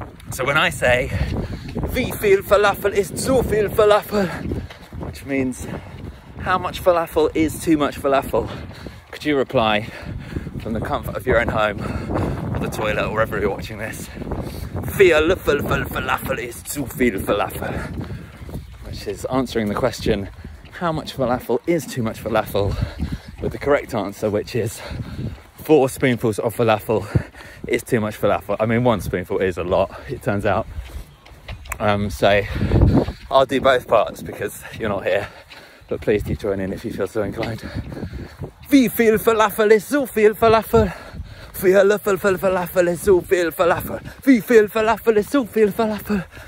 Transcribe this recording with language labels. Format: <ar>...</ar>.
<en>So when I say,</en> <de>wie viel falafel ist zu viel falafel,</de> <en>which means, how much falafel is too much falafel? Could you reply from the comfort of your own home, or the toilet, or wherever you're watching this?</en> <de>Viel falafel ist zu viel falafel.</de> <en>Which is answering the question, how much falafel is too much falafel? With the correct answer, which is 4 spoonfuls of falafel is too much falafel. I mean, 1 spoonful is a lot, it turns out. So I'll do both parts because you're not here. But please do join in if you feel so inclined.</en> <de>Wie viel falafel ist so viel falafel? Viel falafel, falafel ist so viel falafel. Wie viel falafel ist so viel falafel?</de>